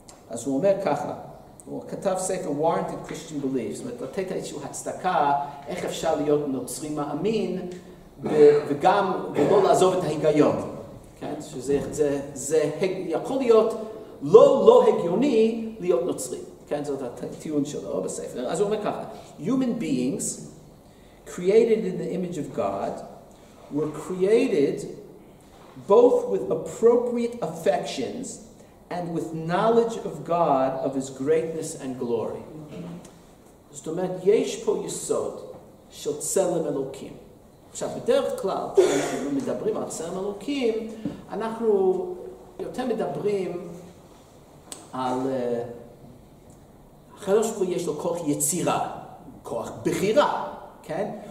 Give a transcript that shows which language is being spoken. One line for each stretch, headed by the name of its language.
Hebrew: אז הוא אומר ככה, הוא כתב ספר Warranted Christian Beliefs, זאת אומרת, לתת איזושהי הצדקה, איך אפשר להיות נוצרי מאמין, וגם לא לעזוב את ההיגיון, כן? האמת, שזה זה, זה יכול להיות לא, לא הגיוני להיות נוצרי. כן, זאת הטיעון שלו בספר. אז הוא אומר ככה,
English: human beings created in the image of God were created both with appropriate affections and with knowledge of God, of his greatness and glory.
Hebrew: זאת אומרת, יש פה יסוד של צלם אלוקים. עכשיו, בדרך כלל, כשאנחנו מדברים על צלם אלוקים, אנחנו יותר מדברים על... החדוש ברוך הוא יש לו כוח יצירה, כוח בחירה, כן?